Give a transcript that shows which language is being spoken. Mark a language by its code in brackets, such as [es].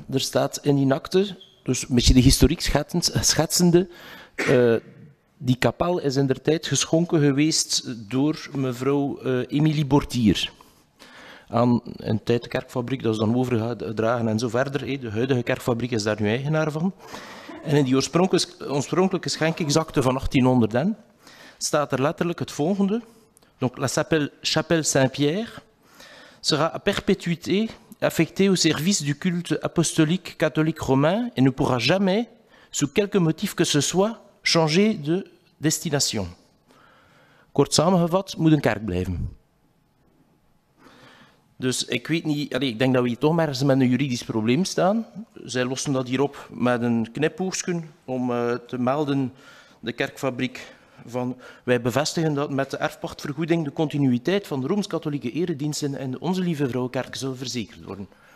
[nl] Er staat in die akte, dus een beetje de historiek schetsende, die kapel is in der tijd geschonken geweest door mevrouw Emilie Bortier. Aan een tijd de kerkfabriek, dat is dan overgedragen en zo verder. De huidige kerkfabriek is daar nu eigenaar van. En in die oorspronkelijke schenkingsakte van 1800 staat er letterlijk het volgende. [fr] Donc, la chapelle Saint-Pierre sera à perpétuité affectée au service du culte apostolique catholique romain et ne pourra jamais, sous quelque motif que ce soit, changer de destination. [nl] Kort samengevat, moet een kerk blijven. Dus ik weet niet, ik denk dat we hier toch maar eens met een juridisch probleem staan. Zij lossen dat hier op met een knipoogje om te melden, de kerkfabriek, van wij bevestigen dat met de erfpachtvergoeding de continuïteit van de Rooms-Katholieke erediensten in Onze Lieve Vrouwenkerk zal verzekerd worden.